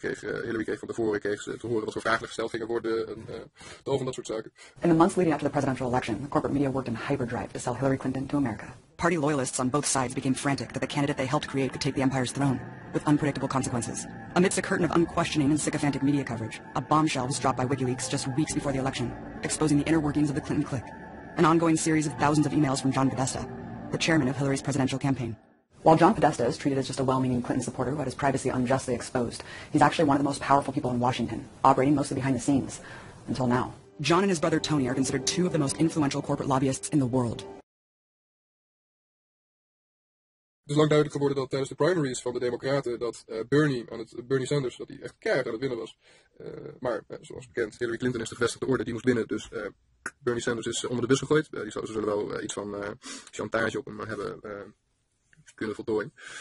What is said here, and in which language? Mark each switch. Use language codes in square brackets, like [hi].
[nl] Dus Hillary kreeg van tevoren te horen wat voor vragen gesteld gingen worden en tal van dat soort zaken. [en] In the months leading up to the presidential election, the corporate media worked in hyperdrive to sell Hillary Clinton to America. Party loyalists on both sides became frantic that the candidate they helped create could take the empire's throne, with unpredictable consequences. Amidst a curtain of unquestioning and sycophantic media coverage, a bombshell was dropped by WikiLeaks just weeks before the election, exposing the inner workings of the Clinton clique, an ongoing series of thousands of emails from John Podesta, the chairman of Hillary's presidential campaign. While John Podesta is treated as just a well-meaning Clinton supporter who had his privacy unjustly exposed, he's actually one of the most powerful people in Washington, operating mostly behind the scenes, until now. John and his brother Tony are considered two of the most influential corporate lobbyists in the world. [nl] Het is lang duidelijk geworden dat tijdens de primaries van de Democraten dat Bernie Sanders, dat hij echt keihard aan het winnen was. Maar zoals bekend, Hillary Clinton is de gevestigde orde, die moest winnen. Dus Bernie Sanders is onder de bus gegooid. Ze zullen wel iets van chantage op hem hebben kunnen voltooien.